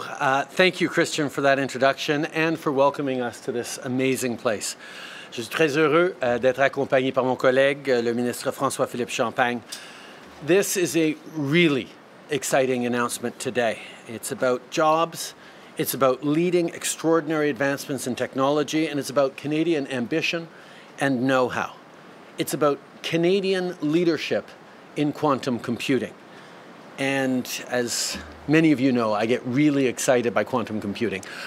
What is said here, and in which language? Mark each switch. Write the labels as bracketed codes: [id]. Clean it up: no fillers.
[en] Thank you, Christian, for that introduction and for welcoming us to this amazing place. [fr] Je suis très heureux d'être accompagné par mon collègue, le ministre François-Philippe Champagne. [en] This is a really exciting announcement today. It's about jobs, it's about leading extraordinary advancements in technology, and it's about Canadian ambition and know-how. It's about Canadian leadership in quantum computing. And as many of you know, I get really excited by quantum computing.